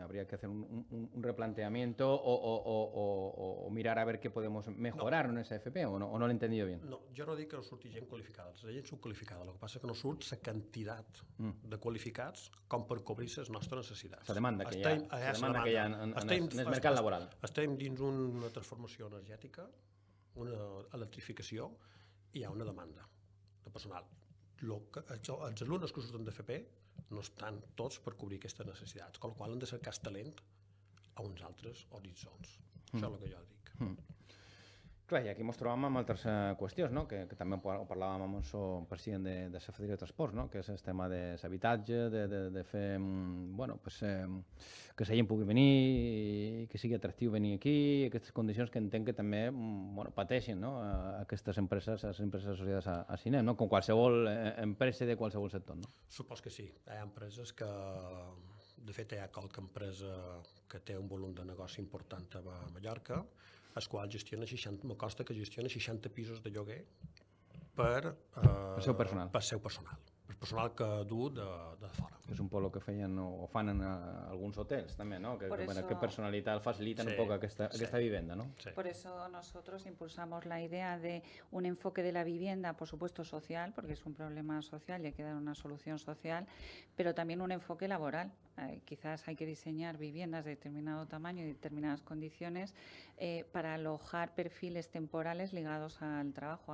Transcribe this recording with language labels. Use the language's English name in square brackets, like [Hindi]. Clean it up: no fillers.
[Spanish] Habría que hacer un replanteamiento o mirar a ver qué podemos mejorar en esa AFP, ¿o no lo he entendido bien? [Catalan] No, jo no dic que no surti gent qualificada, la gent subqualificada, el que passa és que no surt la quantitat de qualificats com per cobrir les nostres necessitats. La demanda que hi ha en el mercat laboral. Estem dins una transformació energètica, una electrificació, i hi ha una demanda de personal. Els alumnes que surten d'FP no estan tots per cobrir aquestes necessitats, amb la qual han de cercar talent a uns altres horitzons. Això és el que jo dic. Clar, i aquí ens trobem amb altres qüestions, no? que també parlàvem amb el seu president de la Federació de Transports, no? Que és el tema de l'habitatge, de fer bueno, pues, que la gent pugui venir i que sigui atractiu venir aquí, aquestes condicions que entenc que també bueno, pateixin, no? Aquestes empreses, les empreses associades a Cinem, no? Com qualsevol empresa de qualsevol sector. No? Supos que sí. Hi ha empreses que, de fet, hi ha qualque empresa que té un volum de negoci important a Mallorca, el qual gestiona 60, me consta que gestiona 60 pisos de lloguer per seu personal. Per seu personal. Per personal que du de fora. És un poc el que feien o fan en alguns hotels també, no? Que personalitat facilita, sí, un poc aquesta vivenda, no? Sí. [Spanish] Por eso nosotros impulsamos la idea de un enfoque de la vivienda, por supuesto social, porque es un problema social y hay que dar una solución social, pero también un enfoque laboral. Quizás hay que diseñar viviendas de determinado tamaño y determinadas condiciones para alojar perfiles temporales ligados al trabajo.